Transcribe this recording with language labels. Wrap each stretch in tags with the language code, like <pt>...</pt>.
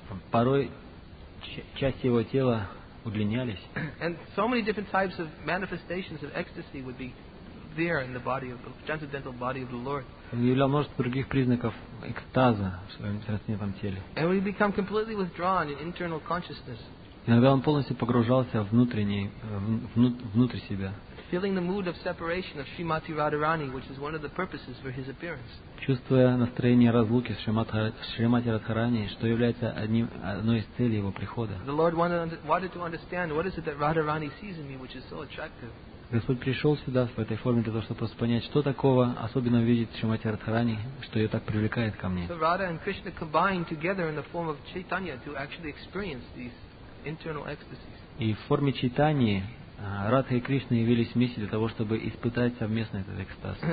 <ru>Порой части его тела удлинялись. И</ru> <en>so many different types of manifestations of ecstasy would be there in the body of the transcendental body of the Lord.</en> <ru>Он являл множество других признаков экстаза в своем трансцендентном теле.</ru> <en>And we become completely withdrawn in internal consciousness.</en> <ru>Иногда он полностью погружался внутрь себя.</ru> <en>feeling the mood of separation of Srimati Radharani, which is one of the purposes for his appearance.</en> <ru>Чувствуя настроение разлуки с Шримати Радхарани, что является одной из целей его прихода.</ru> <en>The Lord wanted to understand what is it that Radharani sees in me, which is so attractive.</en> <ru>Господь пришел сюда в этой форме для того, чтобы просто понять, что такого особенно видит Шримати Радхарани, что ее так привлекает ко мне.</ru> <en>Radha and Krishna combined together in the form of Chaitanya to actually experience these internal ecstasies.</en> <ru>И в форме Чайтаньи Радха и Кришна явились вместе для того, чтобы испытать совместно этот экстаз.</ru>